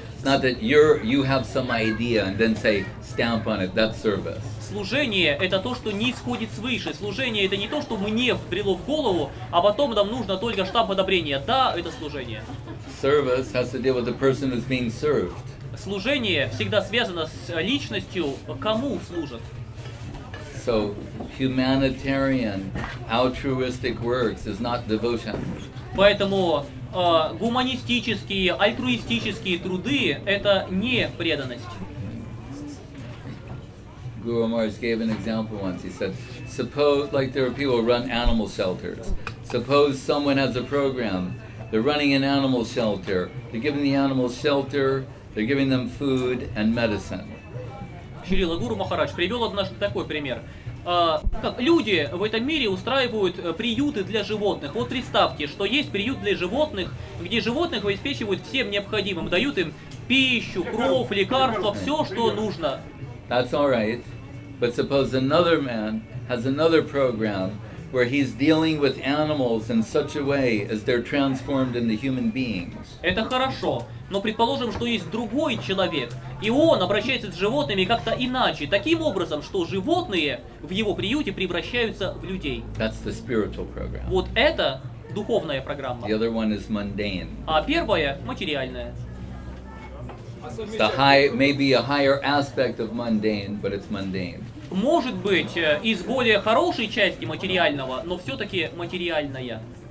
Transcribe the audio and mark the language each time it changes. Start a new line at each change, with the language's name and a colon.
English: It's not that you have some idea and then say, stamp on it, that's service.
Russian: Служение – это то, что не исходит свыше. Служение – это не то, что мне вбрело в голову, а потом нам нужно только штамп одобрения. Да, это служение.
English: Service has to deal with the person who's being served.
Russian: Служение всегда связано с личностью, кому служат.
English: So, humanitarian, altruistic works is not devotion.
Russian: Поэтому гуманистические, альтруистические труды – это не преданность.
English: Guru Maharaj gave an example once. He said, suppose, like there are people who run animal shelters. Suppose someone has a program, they're running an animal shelter, they're giving the animals shelter, they're giving them food and medicine.
Russian: Шрила Гуру Махарадж привел однажды такой пример. Как люди в этом мире устраивают приюты для животных. Вот представьте, что есть приют для животных, где животных обеспечивают всем необходимым, дают им пищу, кровь, лекарства, все, что нужно.
English: That's all right, but suppose another man has another program where he's dealing with animals in such a way as they're transformed into human beings.
Russian: Это хорошо, но предположим, что есть другой человек, и он обращается с животными как-то иначе, таким образом, что животные в его приюте превращаются в людей.
English: That's the spiritual program.
Russian: Вот это духовная программа.
English: The other one is mundane.
Russian: А первая материальная.
English: It's the high, maybe a higher aspect of mundane, but it's mundane.
Russian: Может быть, из более хорошей части материального, но все-таки материальная.